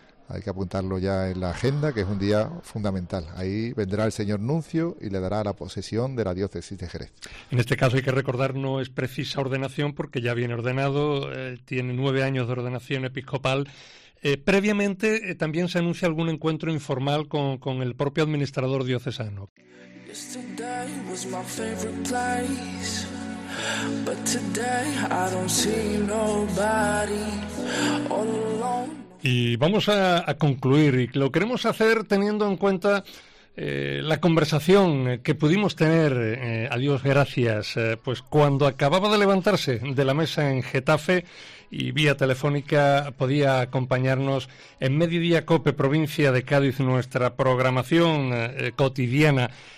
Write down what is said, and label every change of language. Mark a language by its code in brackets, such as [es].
[es] Hay que apuntarlo ya en la agenda, que es un día fundamental. Ahí vendrá el señor Nuncio y le dará la posesión de la diócesis de Jerez. En este caso hay que recordar, no es precisa ordenación, porque ya viene ordenado, tiene 9 años de ordenación episcopal. Previamente, también se anuncia algún encuentro informal con el propio administrador diocesano. [en] Yesterday was my favorite place, but today I don't see nobody all alone. [es] Y vamos a concluir, y lo queremos hacer teniendo en cuenta la conversación que pudimos tener, a Dios gracias, pues cuando acababa de levantarse de la mesa en Getafe y vía telefónica podía acompañarnos en Mediodía COPE, provincia de Cádiz, nuestra programación cotidiana.